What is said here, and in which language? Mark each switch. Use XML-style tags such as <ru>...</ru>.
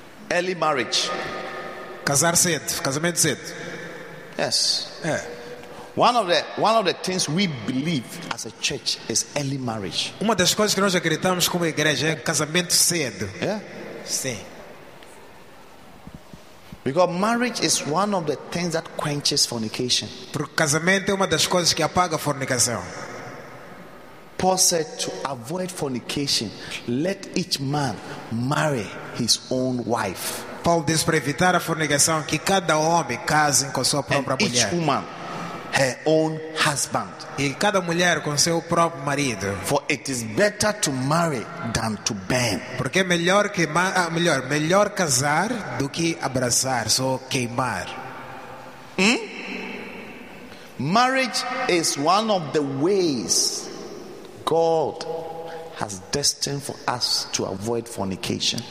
<en>Early marriage.</en> <pt>Casar cedo. Casamento cedo.</pt> <en>Yes.</en> <pt>É.</pt> <en>One of the things we believe as a church is early marriage.</en> <pt>Uma das coisas que nós acreditamos como igreja é casamento cedo.</pt> <en>Yeah?</en> <pt>Sim.</pt> <en>Because marriage is one of the things that quenches fornication.</en> <pt>Porque casamento é uma das coisas que apaga a fornicação.</pt> <en>Paul said to avoid fornication, let each man marry his own wife.</en> <pt>Paulo diz para evitar a fornicação que cada homem case com sua própria</pt> <en>and</en> <pt>mulher.</pt> <en>Each woman her own husband.</en> <pt>E cada mulher com seu próprio marido.</pt> <en>For it is better to marry than to burn.</en> <pt>Porque é melhor que melhor casar do que abraçar, só queimar.</pt> <en>Hmm? Marriage is one of the ways God has destined for us to avoid fornication.</en>